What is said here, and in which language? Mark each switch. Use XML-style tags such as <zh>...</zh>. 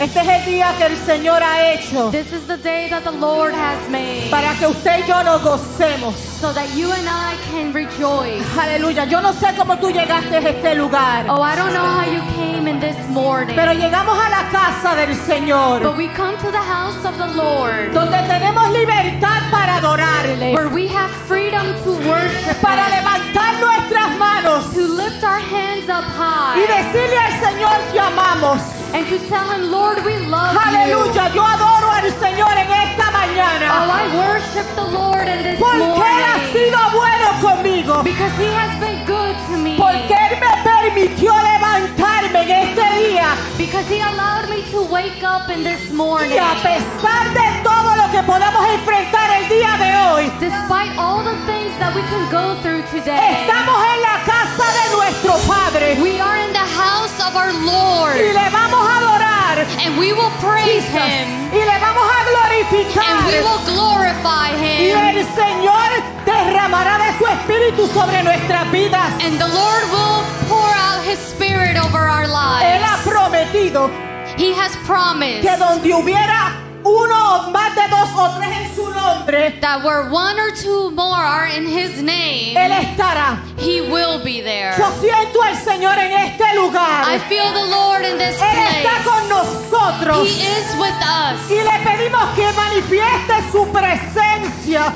<es>Este es el día que el Señor ha hecho.</es> <en>This is the day that the Lord has made.</en> <es>Para que usted y yo nos gocemos.</es> <en>So that you and I can rejoice.</en> <es>Aleluya. Yo no sé cómo tú llegaste a este lugar.</es> <en>Oh, I don't know how you came in this morning.</en> <es>Pero llegamos a la casa del Señor.</es> <en>But we come to the house of the Lord.</en> <es>Donde tenemos libertad para adorarle.</es> <en>Where we have freedom to worship.</en> <es>Para levantar nuestras manos.</es> <en>To lift our hands up high.</en> <es>Y decirle al Señor que amamos.</es> <en>And to tell him, Lord, we love</en> <es>Aleluya.</es> <en>You.</en> <es>Yo adoro al Señor en esta mañana.</es> <en>Oh, I worship the Lord in this</en> <es>Porque</es> <en>morning.</en> <es>Él ha sido bueno conmigo.</es> <en>Because he has been good to me.</en> <es>Porque él me permitió levantarme en este día.</es> <en>Because he allowed me to wake up in this morning.</en> <es>Y a pesar de todo lo que podamos enfrentar el día de hoy.</es> <en>Despite all the things that we can go through today.</en> <es>Estamos en la casa de nuestro Padre.</es> <en>We are in the house of our Lord.</en> <es>Y le vamos a adorar.</es> <en>And we will praise him.</en> <es>Y le vamos a glorificar.</es> <en>And we will glorify him.</en> <es>Y el Señor derramará de su espíritu sobre nuestras vidas.</es> <en>And the Lord will pour out his spirit over our lives.</en> <es>Él ha prometido.</es> <en>He has promised.</en> <es>Que donde hubiera uno o más de dos o tres en su nombre.</es> <en>That where one or two more are in his name.</en> <es>Él estará.</es> <en>He will be there.</en> <es>Yo siento al Señor en este lugar.</es> <en>I feel the Lord in this</en> <es>él</es> <en>place.</en> <es>Él está con nosotros.</es> <en>He is with us.</en> <es>Y le pedimos que manifieste su presencia.</es>